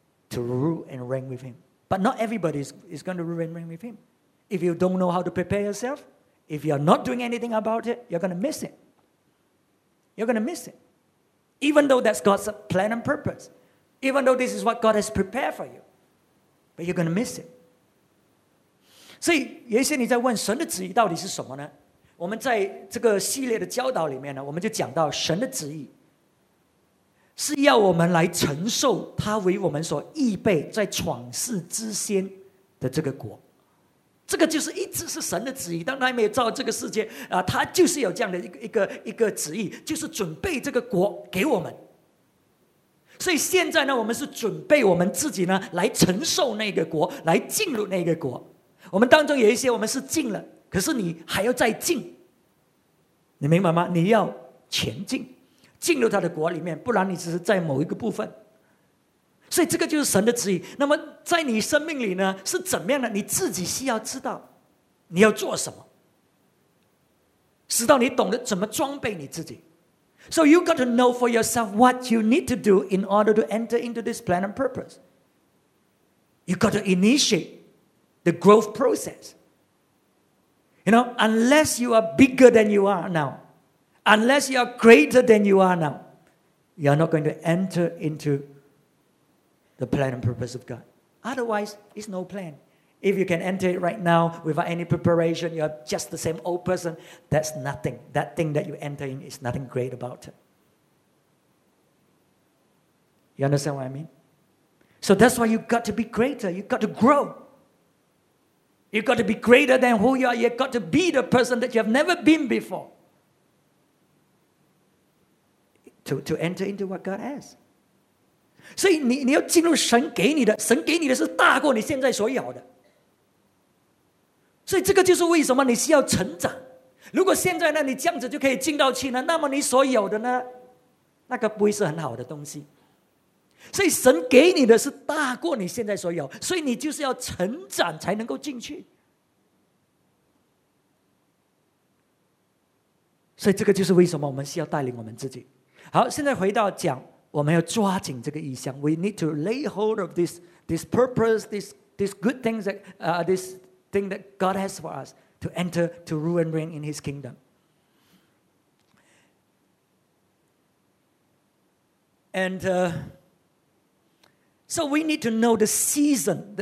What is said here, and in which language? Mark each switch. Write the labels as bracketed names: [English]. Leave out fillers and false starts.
[English] To rule and reign with him. But not everybody is going to rule and reign with him. If you don't know how to prepare yourself, if you're not doing anything about it, you're going to miss it. You're going to miss it. Even though that's God's plan and purpose. Even though this is what God has prepared for you. But you're going to miss it. [Chinese] 所以有一些你在问神的旨意到底是什么呢?我们在这个系列的教导里面呢, 我们就讲到神的旨意 是要我们来承受祂为我们所预备在创世之先的这个果这个就是一直是神的旨意，当他还没有造这个世界，他就是有这样的一个旨意，就是准备这个国给我们。所以现在呢，我们是准备我们自己呢，来承受那个国，来进入那个国。我们当中有一些我们是进了，可是你还要再进，你明白吗？你要前进，进入他的国里面，不然你只是在某一个部分。所以这个就是神的旨意。那么在你生命里呢，是怎么样的？你自己需要知道你要做什么，直到你懂得怎么装备你自己。 [English] So you got to know for yourself what you need to do in order to enter into this plan and purpose. You got to initiate the growth process. You know, unless you are bigger than you are now, unless you are greater than you are now, you are not going to enter into the plan and purpose of God. Otherwise, it's no plan. If you can enter it right now without any preparation, you're just the same old person, that's nothing. That thing that you enter in is nothing great about it. You understand what I mean? So that's why you've got to be greater. You've got to grow. You've got to be greater than who you are. You've got to be the person that you have never been before to enter into what God has. [Chinese] 所以 你要进入神给你的，神给你的是大过你现在所有的。所以这个就是为什么你需要成长。如果现在呢，你这样子就可以进到去呢，那么你所有的呢，那个不会是很好的东西。所以神给你的是大过你现在所有，所以你就是要成长才能够进去。所以这个就是为什么我们需要带领我们自己。好，现在回到讲，我们要抓紧这个意象。 [English] We need to lay hold of this purpose, this good things that this. Thing that God has for us to enter to rule and reign in His kingdom. And so we need to know the season.